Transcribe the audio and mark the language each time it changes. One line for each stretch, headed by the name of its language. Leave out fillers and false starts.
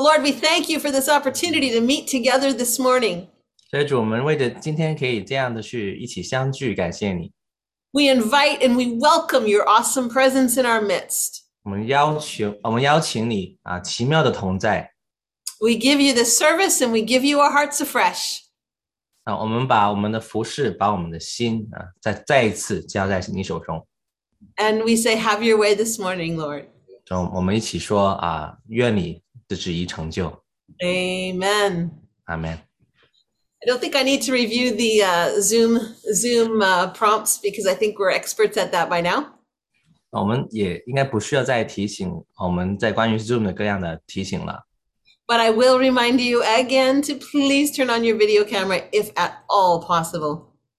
English: Lord, we thank you for this opportunity to meet together this morning.
Chinese: 所以主，我们为着今天可以这样的去一起相聚，感谢你。
English: We invite and we welcome your awesome presence in our midst.
Chinese: 我们邀请你啊，奇妙的同在。
English: We give you the service and we give you our hearts afresh.
Chinese: 我们把我们的服饰，把我们的心啊，再一次交在你手中。
English: And we say, have your way this morning, Lord.
Chinese: 我们一起说啊，愿你的旨意成就。
English: Amen. Amen. I don't think I need to review the Zoom prompts because I think we're experts at that by now.
Chinese: 我们也应该不需要再提醒我们在关于Zoom的各样的提醒了。
English: But I will remind you again to please turn on your video camera if at all possible.